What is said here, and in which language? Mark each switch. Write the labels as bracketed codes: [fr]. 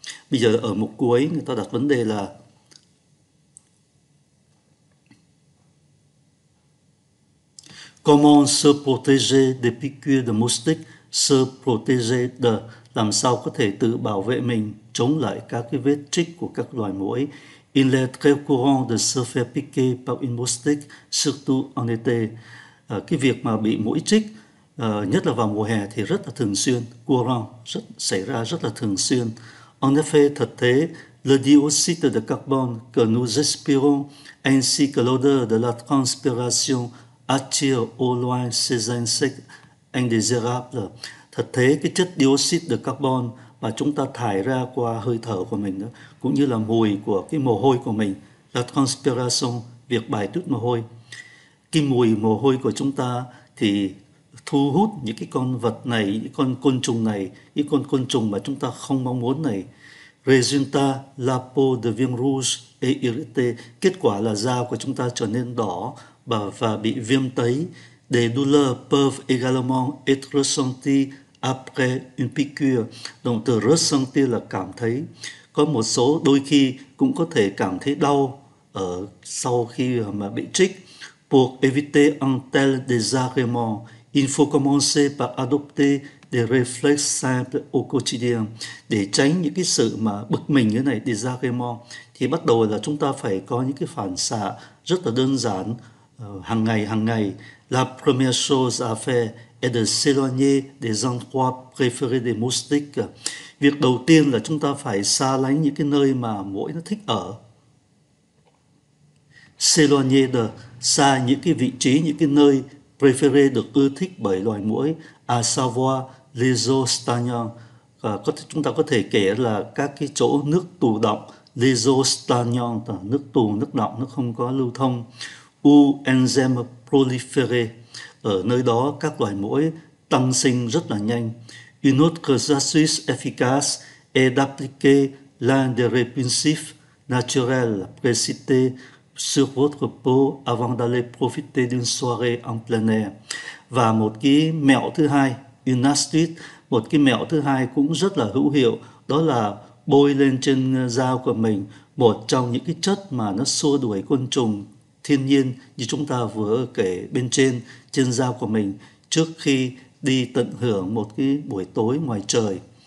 [vi] Bây giờ ở mục cuối người ta đặt vấn đề là [fr] comment se protéger des piqûres de moustiques, se protéger de, [vi] làm sao có thể tự bảo vệ mình chống lại các cái vết chích của các loài muỗi. [fr] Il est très courant de se faire piquer par une moustique, surtout en été. [vi] Cái việc mà bị muỗi chích, nhất là vào mùa hè thì rất là thường xuyên, courant, xảy ra rất là thường xuyên. [fr] En effet, [vi] thật thế, [fr] le dioxyde de carbone que nous respirons ainsi que l'odeur de la transpiration attirent au loin ces insectes indésirables. [vi] Thật thế, cái chất dioxyde de carbone mà chúng ta thải ra qua hơi thở của mình đó, cũng như là mùi của cái mồ hôi của mình, [fr] la transpiration, [vi] việc bài tiết mồ hôi. Cái mùi mồ hôi của chúng ta thì thu hút những cái con vật này, những con côn trùng này, những con côn trùng mà chúng ta không mong muốn này. [fr] Résultat, la peau devient rouge et irritée. [vi] Kết quả là da của chúng ta trở nên đỏ và bị viêm tấy. [fr] Des douleurs peuvent également être ressenties après une piqûre. [vi] Động từ ressentir là cảm thấy. Có một số đôi khi cũng có thể cảm thấy đau ở sau khi mà bị chích. [fr] Pour éviter un tel désagrément, il faut commencer par adopter des réflexes simples au quotidien. [vi] Để tránh những cái sự mà bực mình như này, désagrément, thì bắt đầu là chúng ta phải có những cái phản xạ rất là đơn giản, hàng ngày hàng ngày. [fr] La première chose à faire est de s'éloigner des endroits préférés des moustiques. [vi] Việc đầu tiên là chúng ta phải xa lánh những cái nơi mà muỗi nó thích ở. [fr] S'éloigner de, [vi] xa những cái vị trí, những cái nơi préféré được ưa thích bởi loài muỗi, [fr] à savoir les eaux stagnantes. [vi] Chúng ta có thể kể là các cái chỗ nước tù đọng, [fr] les eaux stagnantes, [vi] nước tù, nước đọng, nó không có lưu thông. [fr] Où enzymes proliférer, [vi] ở nơi đó các loài muỗi tăng sinh rất là nhanh. [fr] Une autre astuce efficace est d'appliquer l'un des répulsifs naturels précités sur votre peau avant d'aller profiter d'une soirée en plein air. [vi] Và một cái mẹo thứ hai, [fr] une astuce, [vi] một cái mẹo thứ hai cũng rất là hữu hiệu, đó là bôi lên trên da của mình một trong những cái chất mà nó xua đuổi côn trùng thiên nhiên như chúng ta vừa kể bên trên, trên da của mình trước khi đi tận hưởng một cái buổi tối ngoài trời.